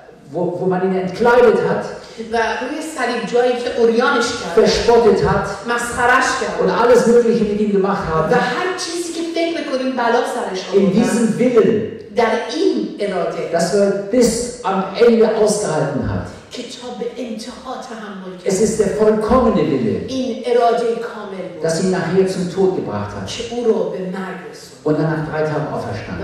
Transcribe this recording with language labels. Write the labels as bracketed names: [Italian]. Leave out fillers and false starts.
[German] wo man ihn entkleidet hat, [Persian] و روی صلیب جایی که عریانش کرد, [German] verspottet hat, [Persian] مسخرش کرد, [German] und alles mögliche mit ihm gemacht hat, [Persian] و هر چیزی که فکر میکنیم بلا سرش آورد. [German] In diesem Willen, [Persian] در این اراده, [German] dass er bis am Ende ausgehalten hat. [Persian] کتاب انتها تحمل کرد. [German] Es ist der vollkommene Wille. [Persian] این اراده کامل. [German] Dass ihn nachher zum Tod gebracht hat. [Persian] که او رو به مرگ رسوند. [German] Und dann nach drei Tagen auferstand.